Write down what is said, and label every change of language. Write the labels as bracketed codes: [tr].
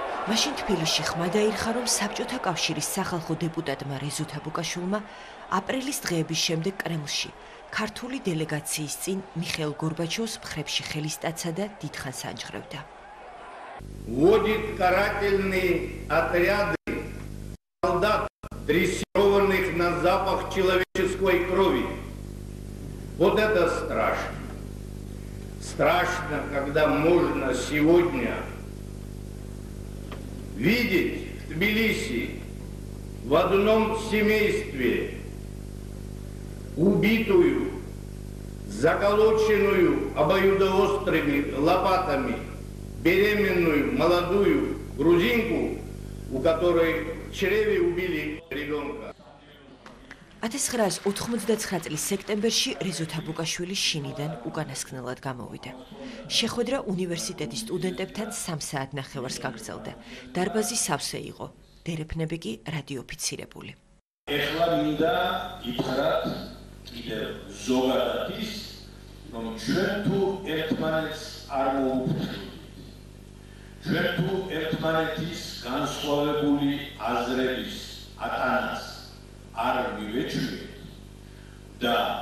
[ka] მაშინ თბილისში ხმა დაირხა, რომ საბჭოთა კავშირის სახალხო დეპუტატმა რეზო თაბუკაშვილმა აპრილის დღეების შემდეგ კრემლში ქართული დელეგაციის წინ მიხეილ გორბაჩოვს მხრებში ხელისტაცა და დიდხანს აჯღრევდა. [ru] Вводит карательные отряды солдат, дрессированных на запах человеческой крови. Вот это страшно. Страшно, когда можно сегодня видеть в Тбилиси в одном семействе убитую, заколоченную обоюдоострыми лопатами беременную молодую грузинку, у которой в чреве убили ребенка. [ka] 1989 წლის სექტემბერში რეზო თაბუკაშვილი შინიდან უკანასკნელად გამოვიდა. შეხვედრა უნივერსიტეტის სტუდენტებთან 3 საათ ნახევარს გაგრძელდა. დარბაზი სავსე იყო, დერეფნები კი რადიოფიცირებული. ეხლა მინდა გითხრათ კიდევ ზოგადად ის, რომ ჩვენ თუ ერთმანეთს არ მოუფრთხილებთ, ჩვენ თუ ერთმანეთის განსხვავებული აზრების ატანას არ მივეჩვიეთ და